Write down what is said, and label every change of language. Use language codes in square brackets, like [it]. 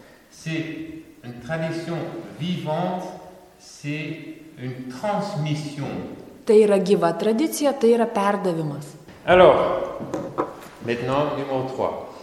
[fr] c'est une tradition vivante, c'est une transmission. [lt] Tai yra gyva tradicija, tai yra perdavimas. [fr] Alors, maintenant, numéro 3.